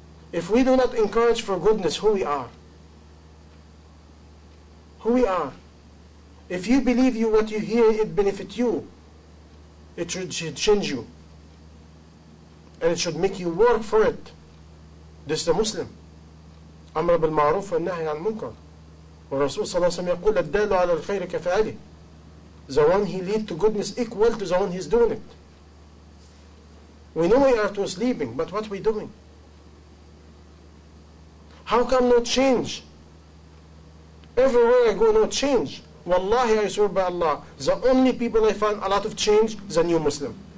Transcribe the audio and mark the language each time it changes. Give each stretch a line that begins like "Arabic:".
English: If we do not encourage for goodness, who we are? Who we are? If you believe you what you hear, it benefits you. It should change you. And it should make you work for it. This is the Muslim.
Arabic: أمر بالمعروف والنهي عن المنكر. والرسول صلى الله عليه وسلم يقول الدال على الخير كفاعله.
English: The one he lead to goodness equal to the one he's doing it. We know we are to sleeping, but what are we doing? How come no change? Everywhere I go, no change. Wallahi, I swear by Allah, the only people I find a lot of change, the new Muslim.